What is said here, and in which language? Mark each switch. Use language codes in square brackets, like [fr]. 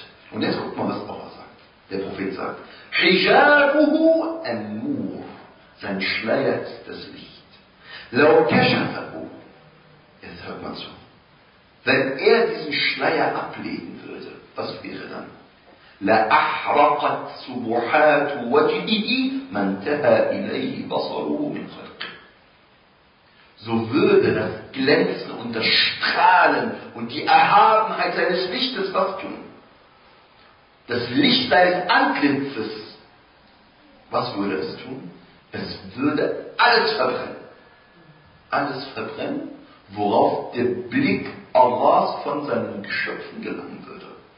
[de] Und jetzt guckt mal, was Allah sagt. Der Prophet sagt, [ar] حجابه النور. [de] Sein Schleier ist das Licht. [ar] لو كشفه. [de] Jetzt hört man zu. Wenn er diesen Schleier ablegen würde, was wäre dann? [ar] لأحرقت سبحات وجهه ما انتهى إليه بصره من خلق. [de] So würde das Glänzen und das Strahlen und die Erhabenheit seines Lichtes was tun? Das Licht seines Antlitzes. Was würde es tun? Es würde alles verbrennen. Alles verbrennen, worauf der Blick Allahs von seinen Geschöpfen gelangen würde.